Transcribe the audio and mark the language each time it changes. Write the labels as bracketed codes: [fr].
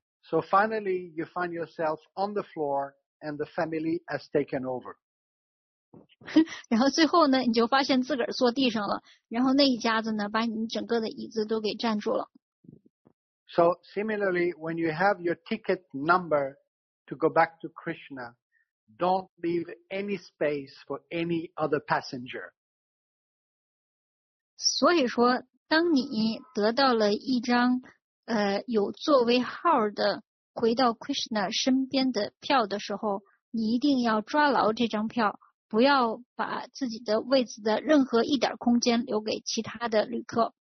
[en] So finally, you find yourself on the floor, and the family has taken over. [zh] 然后最后呢，你就发现自个儿坐地上了，然后那一家子呢，把你整个的椅子都给占住了。 [en] So similarly, when you have your ticket number to go back to Krishna, don't leave any space for any other passenger. [zh] 所以说，当你得到了一张有座位号的回到 Krishna 身边的票的时候，你一定要抓牢这张票，不要把自己的位置的任何一点空间留给其他的旅客。